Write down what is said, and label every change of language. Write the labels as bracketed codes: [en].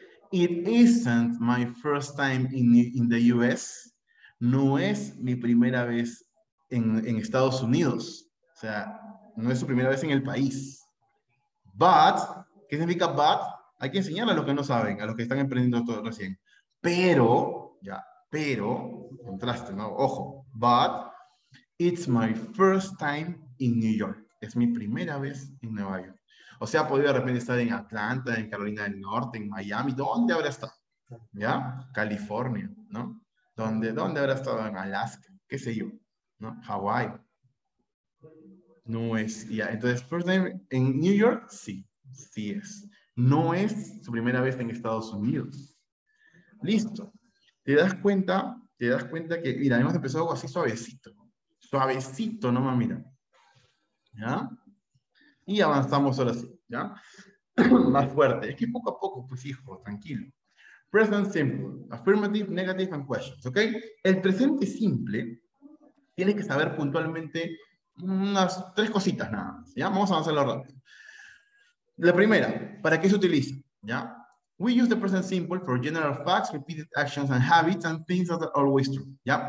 [en] It isn't my first time in the US. [es] No es mi primera vez en Estados Unidos. O sea, no es su primera vez en el país. But, ¿qué significa but? Hay que enseñar a los que no saben, a los que están emprendiendo todo recién. Pero, ya, pero, contraste, ¿no? [en] Ojo, but, it's my first time in New York. [es] Es mi primera vez en Nueva York. O sea, ha podido de repente estar en Atlanta, en Carolina del Norte, en Miami. ¿Dónde habrá estado? ¿Ya? California, ¿no? ¿Dónde habrá estado? En Alaska, qué sé yo, ¿no? Hawái. No es, ya. Entonces, [en] first time [es] en New York, sí, sí es. No es su primera vez en Estados Unidos. Listo. Te das cuenta que, mira, hemos empezado así suavecito. Suavecito, no más, mira. ¿Ya? Y avanzamos ahora sí, ¿ya? Más fuerte. Es que poco a poco, pues hijo, tranquilo. Present simple. [en] Affirmative, negative, and questions, [es] ¿ok? El presente simple tiene que saber puntualmente unas tres cositas nada más, ¿ya? Vamos a avanzarlo rápido. La primera, ¿para qué se utiliza? ¿Ya? [en] We use the present simple for general facts, repeated actions and habits and things that are always true, ¿ya?